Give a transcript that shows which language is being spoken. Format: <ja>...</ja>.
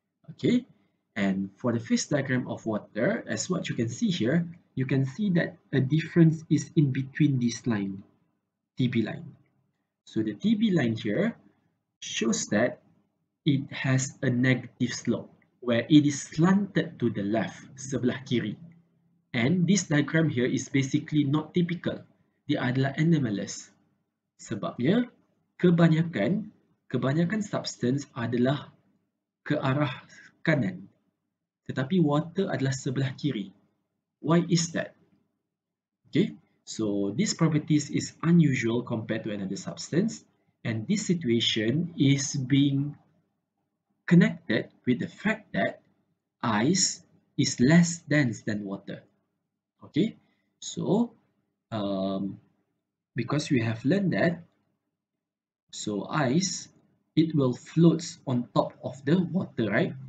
<en>Okay, and for the phase diagram of water, as what you can see here, you can see that a difference is in between this line, TB line. So the TB line here shows that it has a negative slope, where it is slanted to the left,</en> <ms>sebelah kiri.</ms> <en>And this diagram here is basically not typical.</en> <ms>Dia adalah anomalous. Sebabnya, kebanyakan substance adalah ke arah kanan, tetapi water adalah sebelah kiri.</ms> <en>Why is that? Okay, so this properties is unusual compared to another substance, and this situation is being connected with the fact that ice is less dense than water. Okay, so because we have learned that, so ice, it will float on top of the water, right?</en>